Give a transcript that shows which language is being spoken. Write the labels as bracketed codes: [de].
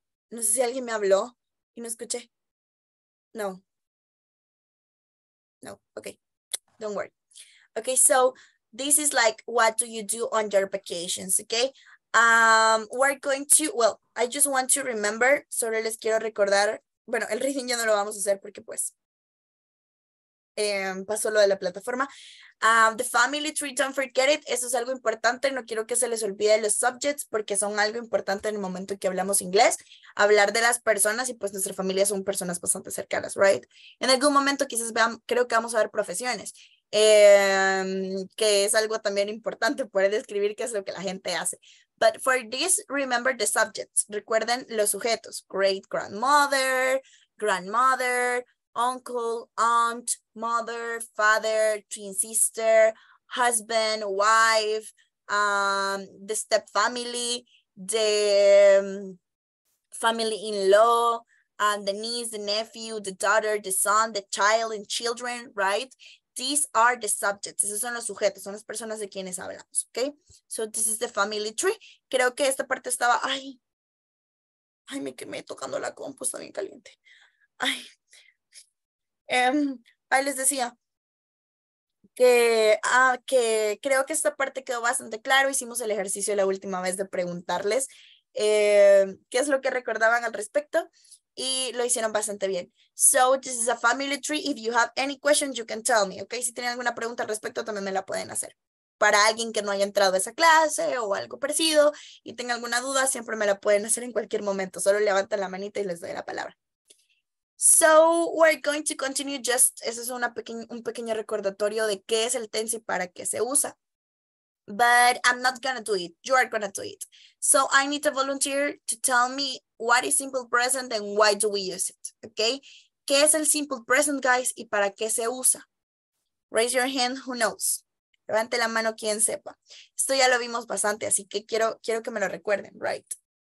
[es] No sé si alguien me habló y no escuché. [en] No. No, okay, don't worry. Okay, so this is like, what do you do on your vacations, okay? I just want to remember, [es] solo les quiero recordar, bueno, el reading ya no lo vamos a hacer porque pues pasó lo de la plataforma. [en] The family tree, don't forget it, [es] eso es algo importante, no quiero que se les olvide los subjects porque son algo importante en el momento que hablamos inglés, hablar de las personas y pues nuestra familia son personas bastante cercanas, right? En algún momento quizás vean, creo que vamos a ver profesiones, que es algo también importante poder describir qué es lo que la gente hace. [en] But for this, remember the subjects, [es] recuerden los sujetos, [en] great grandmother, grandmother, uncle, aunt, mother, father, twin sister, husband, wife, the step family, the family-in-law, and the niece, the nephew, the daughter, the son, the child, and children, right? These are the subjects. [es] Esos son los sujetos, son las personas de quienes hablamos, okay? [en] So this is the family tree. [es] Creo que esta parte estaba, ay, me quemé tocando la compu, está bien caliente. Ay. Ahí les decía que creo que esta parte quedó bastante claro. Hicimos el ejercicio la última vez de preguntarles qué es lo que recordaban al respecto y lo hicieron bastante bien. [en] So this is a family tree. If you have any questions, you can tell me. [es] Okay, si tienen alguna pregunta al respecto, también me la pueden hacer. Para alguien que no haya entrado a esa clase o algo parecido y tenga alguna duda, siempre me la pueden hacer en cualquier momento. Solo levantan la manita y les doy la palabra. [en] So we're going to continue. [es] Just, eso es un pequeño recordatorio de qué es el tense y para qué se usa. [en] but I'm not gonna do it. You are gonna do it. So I need a volunteer to tell me what is simple present and why do we use it, okay? [es] ¿Qué es el simple present, guys, y para qué se usa? [en] Raise your hand, who knows? [es] Levante la mano quien sepa. Esto ya lo vimos bastante, así que quiero que me lo recuerden, right?